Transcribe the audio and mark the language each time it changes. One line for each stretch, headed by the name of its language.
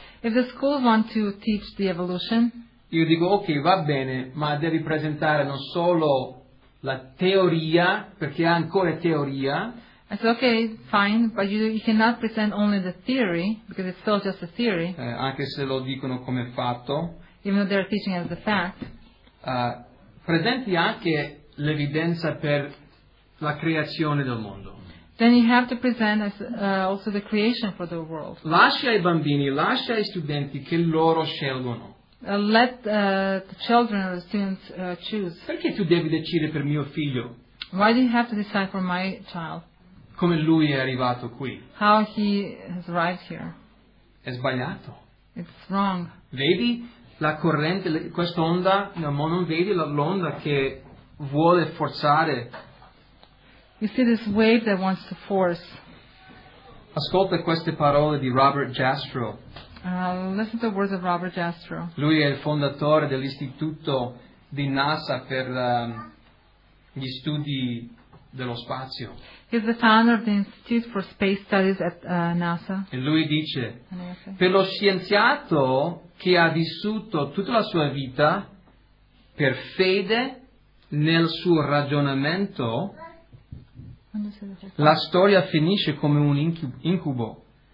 English: If the schools want to teach the evolution.
Italian: Io dico ok, va bene, ma devi presentare non solo la teoria, perché è ancora teoria.
English: I said okay, fine, but you cannot present only the theory because it's still just a theory.
Italian: Anche se lo dicono come fatto.
English: Even though they're teaching as the fact.
Italian: Presenti anche l'evidenza per la creazione del mondo.
English: Then you have to present also the creation for the world.
Italian: Lascia i bambini, lascia i studenti che loro scelgono.
English: Let the children or the students choose.
Italian: Perché tu devi decidere per mio figlio?
English: Why do you have to decide for my child?
Italian: Come lui è arrivato qui?
English: How he has arrived here?
Italian: È sbagliato.
English: It's wrong.
Italian: Vedi la corrente, questa onda, no, non vedi l'onda che vuole forzare.
English: You see this wave that wants to force.
Italian: Ascolta queste parole di Robert Jastrow.
English: Listen to the words of Robert Jastrow.
Italian: Lui è il fondatore dell'istituto di NASA per gli studi dello spazio.
English: He's the founder of the Institute for Space Studies at NASA.
Italian: E lui dice, per lo scienziato che ha vissuto tutta la sua vita per fede nel suo ragionamento, la storia finisce come un incubo.